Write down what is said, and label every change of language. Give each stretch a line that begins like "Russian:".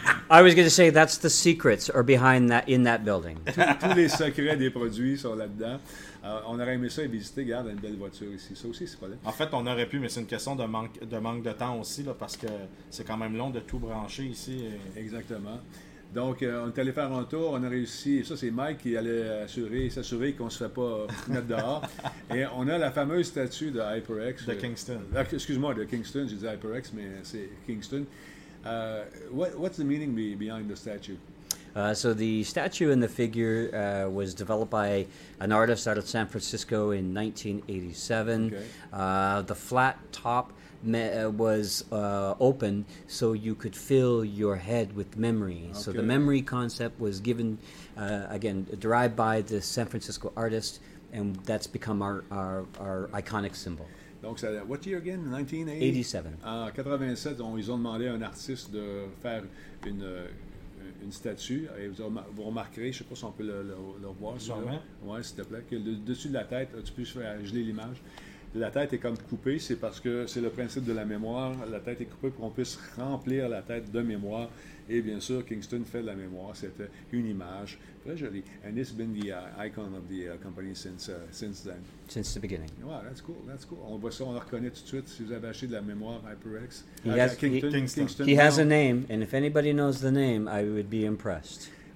English: I was going to say, that's the secrets are behind that, in that building.
French: Tous les secrets des produits sont là-dedans. On aurait aimé ça et visiter, regarde, une belle voiture ici. Ça aussi, c'est pas là. En fait, on aurait pu, mais c'est une question de manque de temps aussi, là, parce que c'est quand même long de tout brancher ici. Et... Exactement. Donc, on est allé faire un tour, on a réussi, et ça, c'est Mike qui allait s'assurer qu'on ne se fait pas mettre dehors. Et on a la fameuse statue de HyperX. De Kingston. Excuse-moi, de Kingston, j'ai dit HyperX, mais c'est Kingston.
English: What's the meaning behind the statue? So the statue and the figure was developed by an artist out of San Francisco in 1987. Okay. The flat top was open so you could fill your head with memory. Okay. So the memory concept was given, again, derived by the San Francisco artist, and that's become our iconic symbol.
French: Donc, ça,
English: what year again? 1987.
French: En 1987, ils ont demandé à un artiste de faire une statue, et vous remarquerez, je ne sais pas si on peut le voir. Oui, s'il te plaît, que le dessus de la tête, tu peux geler l'image, la tête est comme coupée, c'est parce que c'est le principe de la mémoire, la tête est coupée pour qu'on puisse remplir la tête de mémoire, et bien sûr, Kingston fait de la mémoire, c'était une image très jolie.
English: And it's been the icon of the company since then. Since the beginning. Wow, that's cool.
French: On voit ça, on le reconnaît tout de suite, si vous avez acheté de la mémoire HyperX.
English: He has a name, and if anybody knows the name, I would be impressed.